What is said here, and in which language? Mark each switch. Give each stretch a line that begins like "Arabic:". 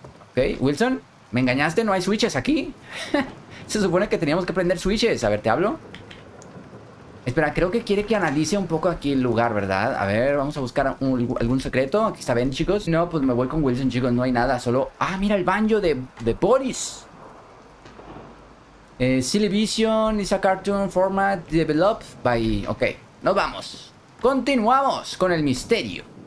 Spanish: Ok, Wilson, me engañaste, no hay switches aquí. Se supone que teníamos que prender switches. A ver, te hablo. Espera, creo que quiere que analice un poco aquí el lugar, ¿verdad? A ver, vamos a buscar algún secreto. Aquí está Ben, chicos. No, pues me voy con Wilson, chicos. No hay nada, solo... ¡Ah, mira el banjo de Boris!
English: Silivision is a cartoon format developed by...
Spanish: Ok, nos vamos. Continuamos con el misterio.